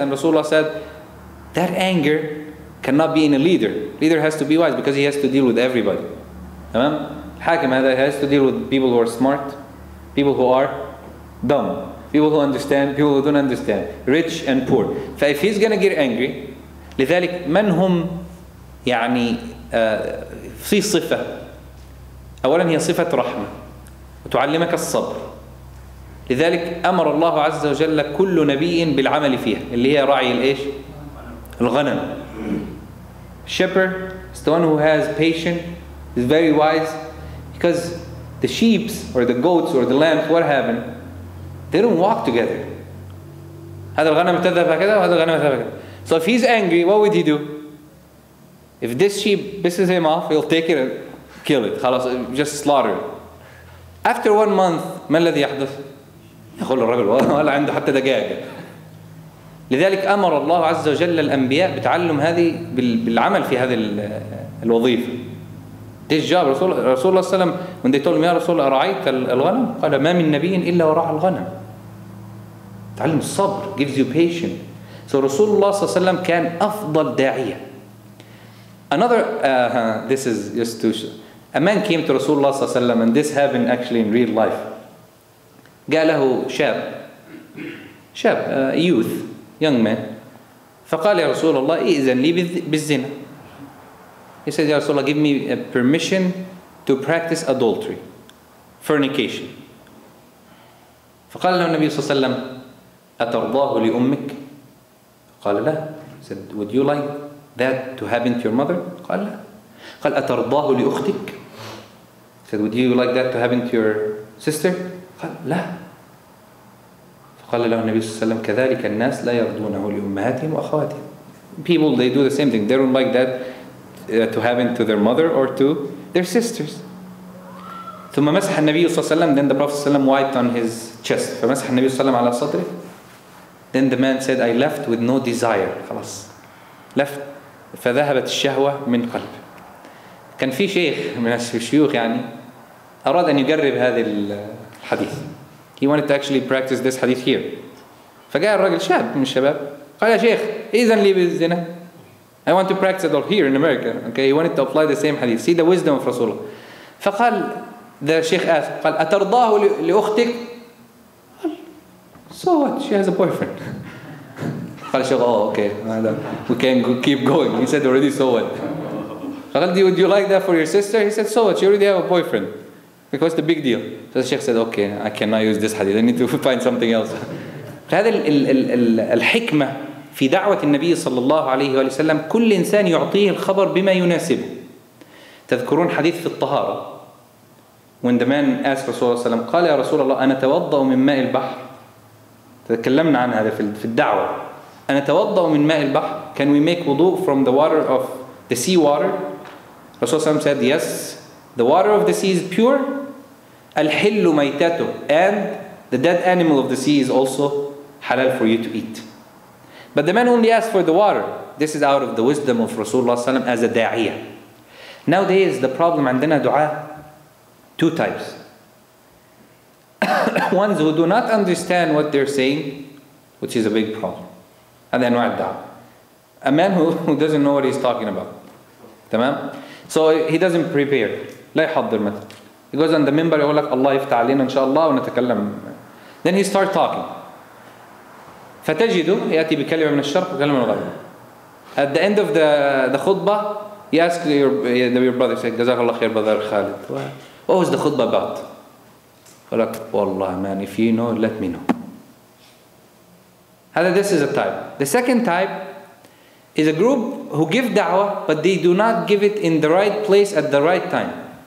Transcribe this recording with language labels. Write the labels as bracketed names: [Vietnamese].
[English] And Rasulullah said, that anger cannot be in a leader. Leader has to be wise because he has to deal with everybody. Tamam? Hakim has to deal with people who are smart, people who are dumb, people who understand, people who don't understand, rich and poor. [Arabic] So if he's going to get angry, لذلك من هم يعني في صفة؟ أولا هي صفة رحمة. وتعلمك الصبر. لذلك أمر الله عز وجل كل نبي بالعمل فيها اللي هي رعي الإيش؟ الغنم. [English] Shepherd is the one who has patience, is very wise, because the sheep or the goats or the lambs, what happened? They don't walk together. [Arabic] هذا الغنم تذهب هكذا وهذا الغنم تذهب هكذا. [English] So if he's angry, what would he do? If this sheep pisses him off, he'll take it and kill it. خلاص, just slaughter it. [Arabic] After one month, ما الذي يحدث؟ يقول الرجل ولا عنده حتى دجاجة. لذلك أمر الله عز وجل الأنبياء بتعلم هذه بالعمل في هذه الوظيفة. This job, رسول الله صلى الله عليه وسلم, when they told him, يا رسول الله أرعيت الغنم؟ قال ما من نبي إلا ورعى الغنم. [English] تعلم الصبر, gives you patience. [Arabic] So رسول الله صلى الله عليه وسلم كان أفضل داعية. [English] Another, this is just too short. A man came to Rasulullah صلى الله عليه وسلم, and this happened actually in real life. [Arabic] قال له شاب, youth, young man. فقال يا رسول الله إذن لي بالزنا. [English] He said, يا رسول الله, give me a permission to practice adultery, fornication. [Arabic] فقال له النبي صلى الله عليه وسلم أترضاه لأمك؟ قال لا. [English] He said, would you like that to happen to your mother? قال لا. قال أترضاه لأختك؟ said, would you like that to happen to your sister? قال لا. [Arabic] فقال له النبي صلى الله عليه وسلم كذلك الناس لا يرضونه لأمهاتهم وأخواتهم. [English] People, they do the same thing. They don't like that to happen to their mother or to their sisters. [Arabic] ثم مسح النبي صلى الله عليه وسلم, then the Prophet صلى الله عليه وسلم wiped on his chest. فمسح النبي صلى الله عليه وسلم على صدره. [English] Then the man said, I left with no desire. [Arabic] خلاص. Left. فذهبت الشهوة من قلبه. كان في شيخ من الشيوخ يعني أراد أن يجرب هذا الحديث. [English] He wanted to actually practice this hadith here. [Arabic] فجاء الرجل شاب من الشباب قال يا شيخ إذن لي بالزنا. [English] I want to practice it all here in America. Okay, he wanted to apply the same hadith. See the wisdom of Rasulullah. فقال the sheikh asked, قال أترضاه لأختك؟ So what? She has a boyfriend. قال الشيخ oh okay. We can keep going. He said already so what. قال do you like that for your sister? He said so what. She already have a boyfriend. Like what's the big deal? So the sheikh said okay. I cannot use this hadith. I need to find something else. [Arabic] هذا الحكمة في دعوة النبي صلى الله عليه وسلم كل إنسان يعطيه الخبر بما يناسبه. تذكرون حديث في الطهارة when the man asked رسول الله صلى الله عليه وسلم قال يا رسول الله أنا توضأ من ماء البحر. تكلمنا عن هذا في الدعوة. أنا توضأ من ماء البحر. [English] Can we make wudu from the water of the sea water? رسول الله صلى الله عليه وسلم said yes. The water of the sea is pure. الحل ميتته and the dead animal of the sea is also halal for you to eat. But the man only asked for the water. This is out of the wisdom of Rasulullah sallam as a da'iyah. Nowadays, the problem عندنا دعاء two types. Ones who do not understand what they're saying, which is a big problem. [Arabic] هذا أنواع الدعاء. [English] A man who doesn't know what he's talking about. تمام؟ So he doesn't prepare. لا يحضر مثلا. He goes on the minbar, يقول لك الله يفتح علينا إن شاء الله ونتكلم. Then he starts talking. [Arabic] فتجده يأتي بكلمة من الشرق وكلمة من الغرب. [English] At the end of the khutbah, he asks your brother, say, جزاك الله خير brother Khalid. What was the khutbah about? فلك والله man, if you know, let me know. هذا this is a type. The second type is a group who give da'wah, but they do not give it in the right place at the right time.